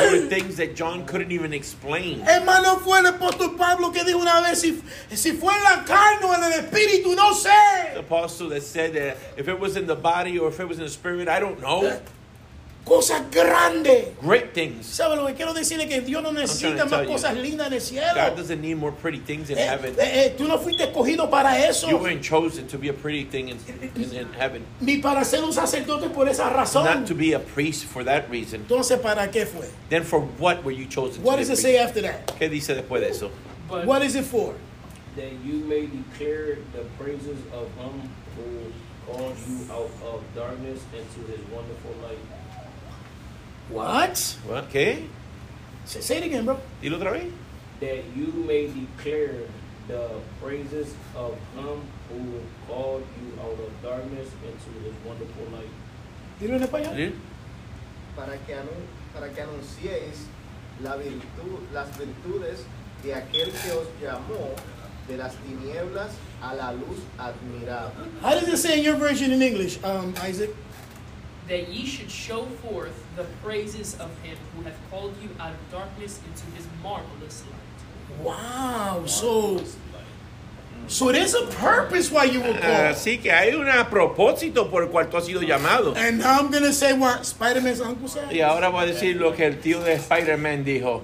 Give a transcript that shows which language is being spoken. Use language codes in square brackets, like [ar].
[en] There were things that John couldn't even explain. [es] Es más, no fue el apóstol Pablo que dijo una vez si fue en la carne o en el espíritu, no sé. [en] The apostle that said that if it was in the body or if it was in the spirit, I don't know. [es] Cosas grandes. [en] Great things. [es] ¿Sabes lo que quiero decir? Que Dios no necesita más cosas lindas en el cielo. [en] God doesn't need more pretty things in heaven. [es] Tú no fuiste escogido para eso. [en] You weren't chosen to be a pretty thing in heaven. [es] Ni para ser un sacerdote por esa razón. [en] Not to be a priest for that reason. [es] Entonces, ¿para qué fue? [en] Then for what were you chosen what to be What does it say after that? [es] ¿Qué dice después de eso? [en] But what is it for? That you may declare the praises of him who called you out of darkness into his wonderful light. What? Okay. Say it again, bro. [es] Dilo otra vez. [en] That you may declare the praises of him who called you out of darkness into his wonderful light. [es] Dilo en español. Para que anunciéis las virtudes de aquel que os llamó de las tinieblas a la luz admirable. [en] How does it say in your version in English, Isaac? That ye should show forth the praises of him who hath called you out of darkness into his marvelous light. Wow, so there's a purpose why you were called. [es] Así que hay un propósito por el cual tú has sido llamado. [en] And now I'm going to say what Spider-Man's uncle said. [es] Y ahora voy a decir lo que el tío de Spider-Man dijo.